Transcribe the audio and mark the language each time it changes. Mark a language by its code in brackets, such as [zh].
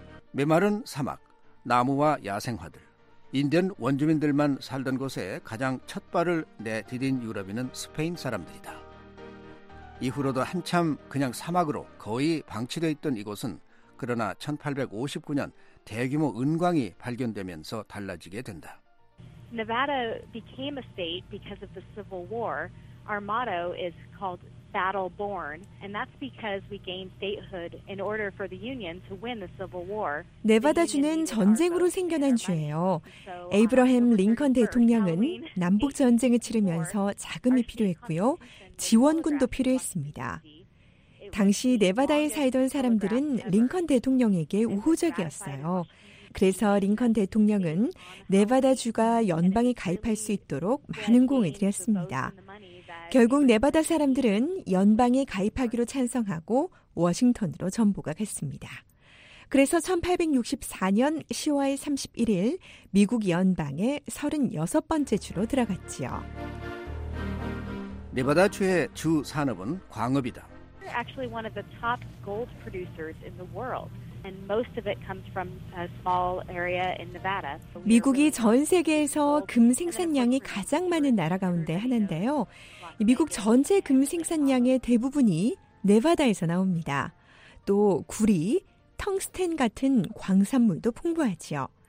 [ko] 메마른 사막, 나무와 야생화들, 인디언 원주민들만 살던 곳에 가장 첫 발을 내디딘 유럽인은 스페인 사람들이다. 이후로도 한참 그냥 사막으로 거의 방치되어 있던 이곳은 그러나 1859년 대규모 은광이 발견되면서 달라지게 된다. [en] Nevada became a state because of the Civil War. Our motto is called Battle Born, and that's because we gained statehood in order for the Union to win the Civil War. [ko] 네바다주는 전쟁으로 생겨난 주예요. 에이브러햄 링컨 대통령은 남북 전쟁을 치르면서 자금이 필요했고요. 지원군도 필요했습니다. 당시 네바다에 살던 사람들은 링컨 대통령에게 우호적이었어요. 그래서 링컨 대통령은 네바다주가 연방에 가입할 수 있도록 많은 공을 들였습니다. 결국 네바다 사람들은 연방에 가입하기로 찬성하고 워싱턴으로 전보가 갔습니다. 그래서 1864년 10월 31일 미국 연방의 36번째 주로 들어갔지요. 네바다 주의 주 산업은 광업이다. [en] Actually one of the top gold producers in the world. And most of it comes from a small area in Nevada. [ko] 미국이 전 세계에서 금 생산량이 가장 많은 나라 가운데 하나인데요. 미국 전체 금 생산량의 대부분이 네바다에서 나옵니다. 또 구리, 텅스텐 같은 광산물도 풍부하지요.